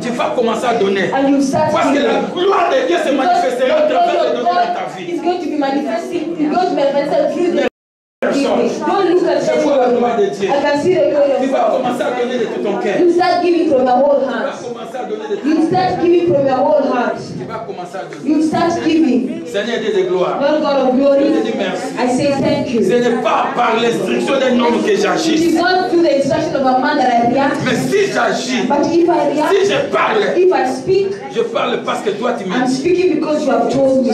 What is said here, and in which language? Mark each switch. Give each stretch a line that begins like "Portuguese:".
French: Tu vas commencer à donner.
English: And you start
French: parce
English: giving.
French: Que la gloire de Dieu se
English: because
French: manifestera à travers les dons de ta vie.
English: Is going to be manifesting. It's going to be manifested through the Don't look at me. I can see the prayer. You start giving from your whole heart. You start giving from your whole heart. You start giving. Lord God of glory, I say thank you.
French: Ce n'est pas par l'instruction d'un homme que j'agis.
English: It is not through the instruction of a man that I react.
French: Mais si j'agis,
English: but if I react,
French: si je parle,
English: if I speak,
French: je parle parce que toi tu me dis.
English: I'm speaking because you have told me.